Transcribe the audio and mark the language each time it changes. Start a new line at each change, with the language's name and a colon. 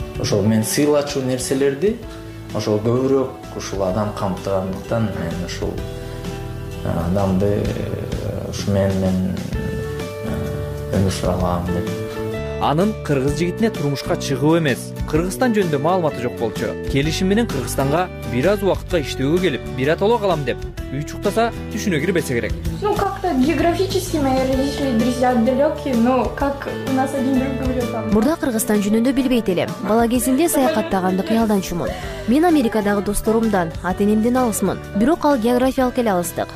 Kyrgyz: Ошол мен сыйлачу нерселерди ошол көбүрөөк ушул адам камтыгандыктан мен ушул адамды ушу менен өмүр сүрө алам деп. Анын кыргыз жигитине турмушка чыгуу эмес, кыргызстан жөнүндө маалыматы жок болчу. Келишим менен кыргызстанга бир аз убакытка иштөөгө келип, биротоло калам деп үч уктаса түшүнө кирбесе керек.
Russian: Ну как-то географически мои родители друзья далекие, но как у нас один друг говорит там.
Kyrgyz: Мурда кыргызстан жөнүндө билбейт элем. Бала кезимде саякаттаганды кыялданчумун. Мен Америкадагы досторумдан, ата-энемден алысмын. Бирок ал географиялык эле алыстык.